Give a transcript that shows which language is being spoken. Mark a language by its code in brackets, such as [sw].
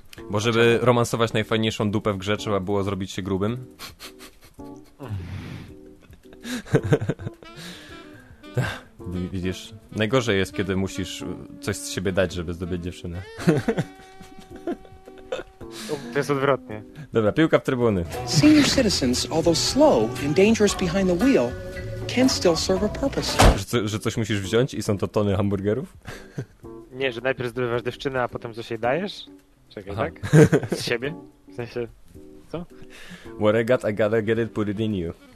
[pl] Bo żeby romansować najfajniejszą dupę w grze, trzeba było zrobić się grubym. Widzisz, najgorzej jest, kiedy musisz coś z siebie dać, żeby zdobyć dziewczynę. To jest odwrotnie. Dobra, piłka w trybuny. [en] Senior citizens, although slow and dangerous behind the wheel, can still serve a purpose. [pl] Że coś musisz wziąć i są to tony hamburgerów? Nie, że najpierw zdobywasz dziewczynę, a potem coś jej dajesz? Czekaj, aha. Tak? Z siebie? W sensie, co? [en] What I gotta get it, put it in you.